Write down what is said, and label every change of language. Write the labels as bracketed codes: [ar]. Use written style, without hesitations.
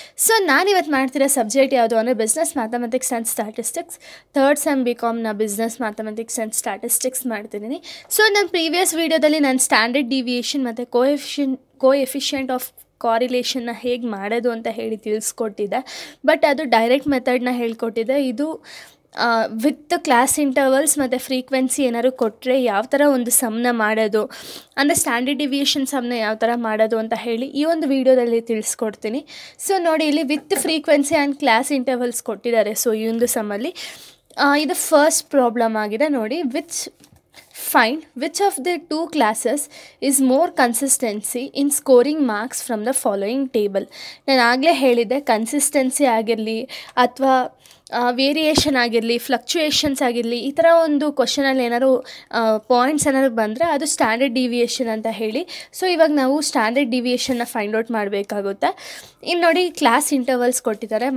[kn] So naan ivat maartira subject yavdu andre business mathematics and statistics. Third sem bcom na business mathematics and statistics maartidini. So nan previous video dalli nan standard deviation matte coefficient of ಕಾರಿಲೇಷನ್ನ ಹೇಗೆ ಮಾಡೋದು ಅಂತ ಹೇಳಿ ತಿಳಿಸ್ಕೊಟ್ಟಿದ್ದೆ. But ಅದು direct ಮೆಥಡ್ನ ಹೇಳ್ಕೊಟ್ಟಿದ್ದೆ. ಇದು with class intervals ಮತ್ತು frequency ಏನಾದ್ರು ಕೊಟ್ಟರೆ ಯಾವ ಥರ ಒಂದು ಸಮ್ನ ಮಾಡೋದು ಅಂದರೆ ಸ್ಟ್ಯಾಂಡರ್ಡ್ ಡಿವಿಯೇಷನ್ ಸಮ್ನ ಯಾವ ಥರ ಮಾಡೋದು ಅಂತ ಹೇಳಿ ಈ ಒಂದು ವಿಡಿಯೋದಲ್ಲಿ ತಿಳಿಸ್ಕೊಡ್ತೀನಿ. ಸೊ ನೋಡಿ, ಇಲ್ಲಿ with frequency and class intervals ಕೊಟ್ಟಿದ್ದಾರೆ. ಸೊ ಈ ಒಂದು ಸಮ್ಮಲ್ಲಿ ಇದು ಫಸ್ಟ್ ಪ್ರಾಬ್ಲಮ್ ಆಗಿದೆ ನೋಡಿ. [en] Which Find which of the two classes is more consistency in scoring marks from the following table. [kn] ನಾನು ಆಗಲೇ ಹೇಳಿದ್ದೆ, ಕನ್ಸಿಸ್ಟೆನ್ಸಿ ಆಗಿರಲಿ ಅಥವಾ ವೇರಿಯೇಷನ್ ಆಗಿರಲಿ ಫ್ಲಕ್ಚುಯೇಷನ್ಸ್ ಆಗಿರಲಿ ಈ ಥರ ಒಂದು ಕ್ವಶನಲ್ಲಿ ಏನಾದ್ರು ಪಾಯಿಂಟ್ಸ್ ಏನಾದ್ರು ಬಂದರೆ ಅದು ಸ್ಟ್ಯಾಂಡರ್ಡ್ ಡಿವಿಯೇಷನ್ ಅಂತ ಹೇಳಿ. ಸೊ ಇವಾಗ ನಾವು ಸ್ಟ್ಯಾಂಡರ್ಡ್ ಡಿವಿಯೇಷನ್ನ ಫೈಂಡ್ ಔಟ್ ಮಾಡಬೇಕಾಗುತ್ತೆ. ಇನ್ನು ನೋಡಿ, ಕ್ಲಾಸ್ ಇಂಟರ್ವಲ್ಸ್ ಕೊಟ್ಟಿದ್ದಾರೆ.